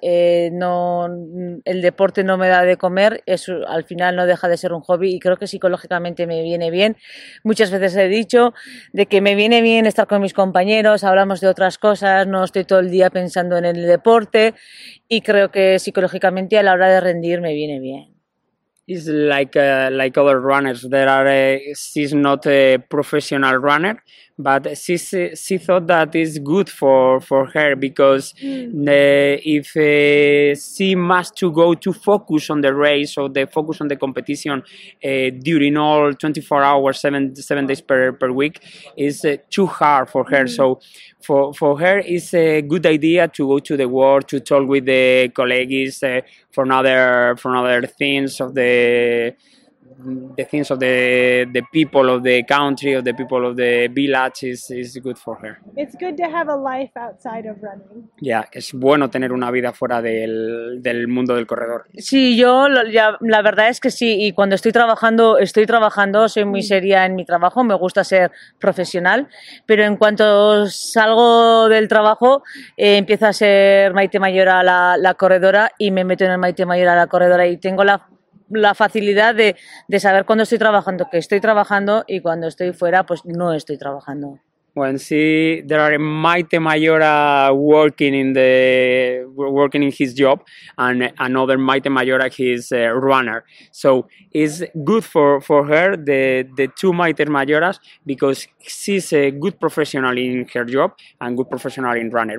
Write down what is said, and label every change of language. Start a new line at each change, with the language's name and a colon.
Spanish: No, el deporte no me da de comer, es, al final no deja de ser un hobby y creo que psicológicamente me viene bien. Muchas veces he dicho de que me viene bien estar con mis compañeros, hablamos de otras cosas, no estoy todo el día pensando en el deporte y creo que psicológicamente a la hora de rendir me viene bien.
English: It's like other runners. There are she's not a professional runner, but she thought that is good for her because if she must to go to focus on the race or the focus on the competition during all 24 hours, seven days per week, is too hard for her. Mm. So for her, it's a good idea to go to the world to talk with the colleagues for another things of the. The things of the people of the country, of the people of the village is good for her. It's good to have a life outside of running.
Spanish: Yeah, es bueno tener una vida fuera del mundo del corredor. Sí, yo la verdad es que sí, y cuando estoy trabajando, soy muy seria en mi trabajo, me gusta ser profesional, pero en cuanto salgo del trabajo, empiezo a ser Maite Maiora la corredora y me meto en el Maite Maiora la corredora y tengo la facilidad de saber cuándo estoy trabajando, que estoy trabajando, y cuando estoy fuera, pues no estoy trabajando.
English: Well, see, there are Maite Maiora working in his job, and another Maite Maiora, his runner. So it's good for her, the two Maite Maioras, because she's a good professional in her job and good professional in runner.